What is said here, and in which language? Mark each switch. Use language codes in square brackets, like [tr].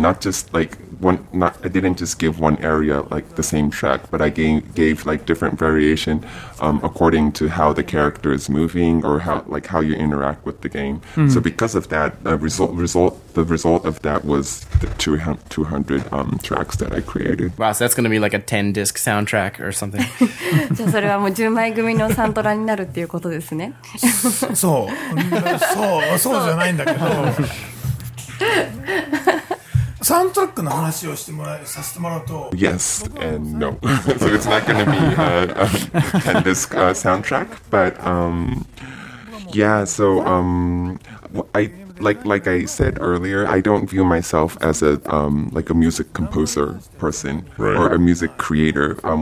[en] Not just like one. I didn't just give one area like the same track, but I gave like different variation according to how the character is moving or how you interact with the game. Mm-hmm. So because of that, the result of that was the 200 tracks that I created. Wow, so that's going to be like a 10-disc soundtrack or something. [ja] So それはもう10枚組のサントラになるっていうことですね。そう。そう、そうじゃないんだけど。サウンドトラックの話をしてもらえさせてもらうと [en] Yes and no. So it's not going to be a 10-disc soundtrack, but yeah, so I like I said earlier, I don't view myself as a music composer person, right, or a music creator.